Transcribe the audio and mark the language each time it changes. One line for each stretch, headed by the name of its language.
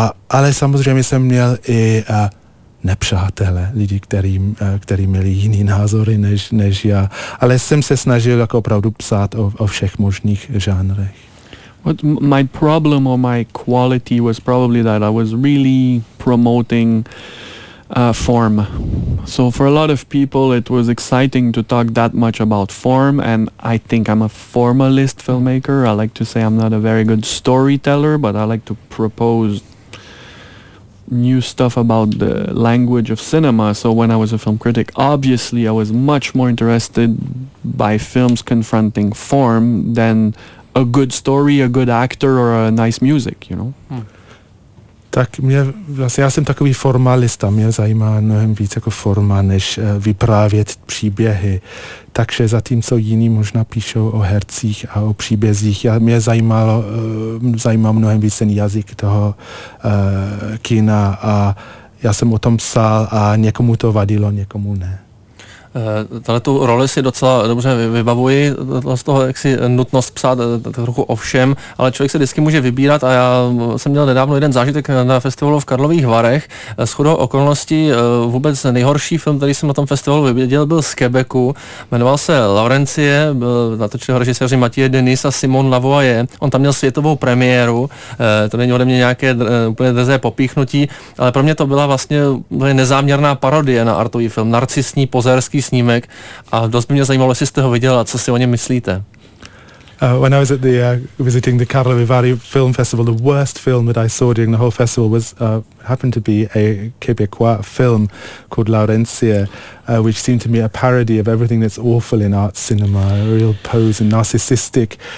Czech: Ale samozřejmě jsem měl i nepřátele, lidi, kteří měli jiný názory než já. Ale jsem se snažil jako opravdu psát o všech možných žánrech.
English: But my problem or my quality was probably that I was really promoting form. So for a lot of people it was exciting to talk that much about form, and I think I'm a formalist filmmaker. I like to say I'm not a very good storyteller, but I like to propose new stuff about the language of cinema. So when I was a film critic, obviously I was much more interested by films confronting form than a good story, a good actor or a nice music, you know.
Czech: Tak mě, vlastně já jsem takový formalista, mě zajímá mnohem víc jako forma, než vyprávět příběhy. Takže zatímco jiní možná píšou o hercích a o příbězích, mě zajímá mnohem víc ten jazyk toho kina a já jsem o tom psal a někomu to vadilo, někomu ne. Tady tu roli si docela dobře vybavuji, z toho jaksi nutnost psát trochu o všem, ale člověk se vždycky může vybírat a já jsem měl nedávno jeden zážitek na festivalu v Karlových Varech. Shodou okolností vůbec nejhorší film, který jsem na tom festivalu viděl, byl z Quebecu. Jmenoval se Laurencie, natočil ho režiséři Mathieu Denis a Simon Lavoie. On tam měl světovou premiéru, to není ode mě nějaké úplně drzé popíchnutí, ale pro mě to byla vlastně nezáměrná parodie na artový film, narcistní pozerský snímek, a dost by mě zajímalo, jestli jste ho viděl a co si o něm myslíte.
English: When I was at the visiting the Carlo Vivari Film Festival, the worst film that I saw during the whole festival was happened to be a Quebecois film called Laurencia, which seemed to me a parody of everything that's awful in art cinema, a real pose and narcissistic.